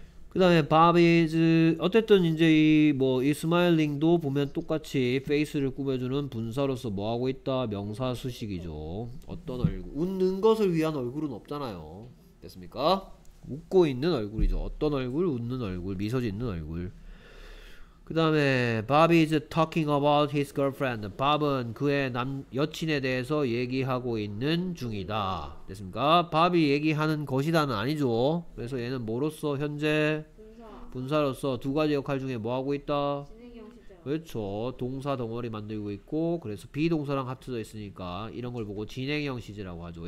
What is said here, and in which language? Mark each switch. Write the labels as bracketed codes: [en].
[ko] 그 다음에 Bob is 어쨌든 이제 이 smiling도 보면 똑같이 face를 꾸며주는 분사로서 뭐하고 있다? 명사 수식이죠. 어떤 얼굴 웃는 것을 위한 얼굴은 없잖아요. 됐습니까? 웃고 있는 얼굴이죠. 어떤 얼굴? 웃는 얼굴. 미소 짓는 얼굴. 그 다음에 [en] Bob is talking about his girlfriend. [ko] Bob은 그의 남 여친에 대해서 얘기하고 있는 중이다. 됐습니까? Bob이 얘기하는 것이다는 아니죠. 그래서 얘는 뭐로서 현재 분사로서 두 가지 역할 중에 뭐 하고 있다? 그렇죠. 동사 덩어리 만들고 있고 그래서 비동사랑 합쳐져 있으니까 이런 걸 보고 진행형 시제라고 하죠.